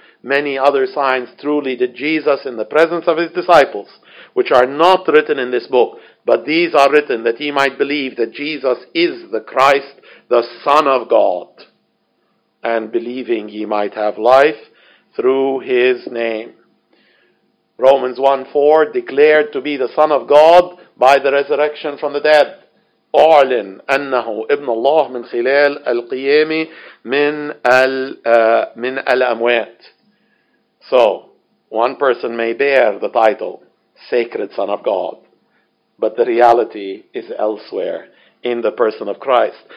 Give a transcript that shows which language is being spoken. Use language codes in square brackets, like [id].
[en] "Many other signs truly did Jesus in the presence of his disciples, which are not written in this book, but these are written that ye might believe that Jesus is the Christ, the Son of God, and believing ye might have life through his name." Romans 1:4, declared to be the Son of God by the resurrection from the dead. [ar] أعلن أنه ابن الله من خلال القيام من من الأموات. [en] So, one person may bear the title, Sacred Son of God, but the reality is elsewhere in the person of Christ.